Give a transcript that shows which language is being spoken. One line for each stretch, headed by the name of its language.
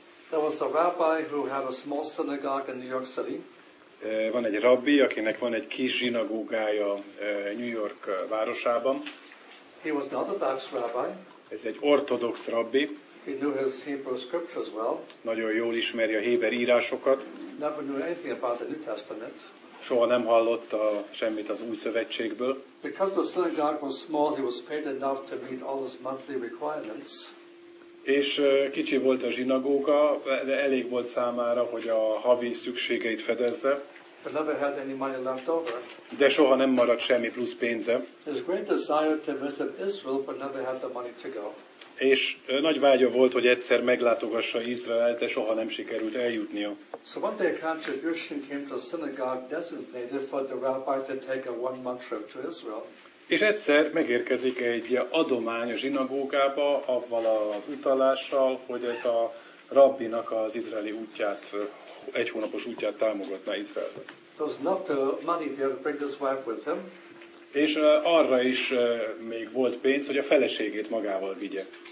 English: There was a rabbi who had a small synagogue in New York City.
Hungarian: Van egy rabbi, akinek van egy kis zsinagógája New York városában.
English: He was an orthodox rabbi.
Hungarian: Ez egy ortodox rabbi.
English: He knew his Hebrew scriptures well.
Hungarian: Nagyon jól ismeri a héber írásokat.
English: Never knew anything about the New Testament.
Hungarian: Soha nem hallott semmit az Új Szövetségből.
English: Because the synagogue was small, he was paid enough to meet all his monthly requirements.
Hungarian: És kicsi volt a zsinagóga, de elég volt számára, hogy a havi szükségeit fedezze.
English: But never had any money left over.
Hungarian: De soha nem maradt semmi plusz pénze.
English: His great desire to visit Israel, but never had the money to go.
Hungarian: És nagy vágya volt, hogy egyszer meglátogassa Izraelt, de soha nem sikerült eljutnia.
English: So one day a contribution came to a synagogue designated for the rabbi to take a one-month trip to Israel.
Hungarian: És egyszer megérkezik egy adomány a zsinagógába, avval az utalással, hogy ez a rabbinak az izraeli útját, egy hónapos útját támogatná Izraelbe.
English: There's not the money there to bring his wife with him.
Hungarian: És arra is még volt pénz, hogy a feleségét magával vigye.